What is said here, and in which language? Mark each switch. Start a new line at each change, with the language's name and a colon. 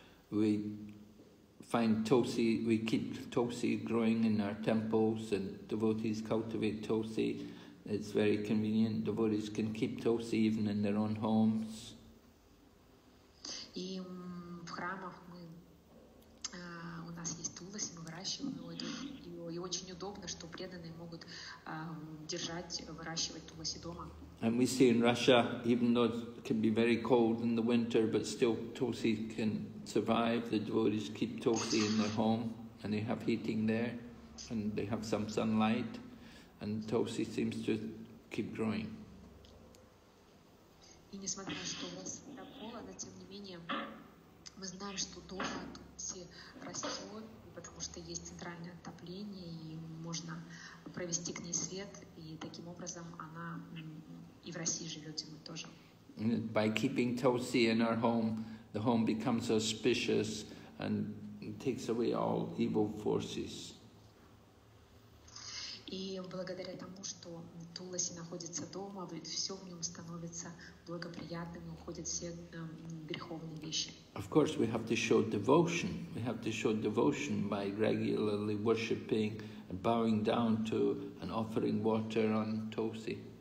English: We find Tulsi, we keep Tulsi growing in our temples, and devotees cultivate Tulsi. It's very convenient. Devotees can keep Tulsi even in their own homes.
Russian: И в храмах мы у нас есть Туласи, мы выращиваем его. И очень удобно, что преданные могут выращивать Туласи дома.
English: And we see in Russia, even though it can be very cold in the winter, but still Tulsi can survive. The devotees keep Tulsi in their home, and they have heating there, and they have some sunlight, and Tulsi seems to keep growing.
Russian: И несмотря на то, что у нас холодно, тем не менее, мы знаем, что дома Тулси растет, потому что есть центральное отопление, и можно провести к ней свет, и таким образом она и в России живет, и мы тоже.
English: By keeping Tosi in our home, the home becomes auspicious and takes away all evil forces.
Russian: И благодаря тому, что Туласи находится дома, все в нем становится благоприятным, уходят все греховные вещи.
English: Of course, we have to show devotion. We have to show devotion by regularly worshipping and bowing down to and offering water on Tosi.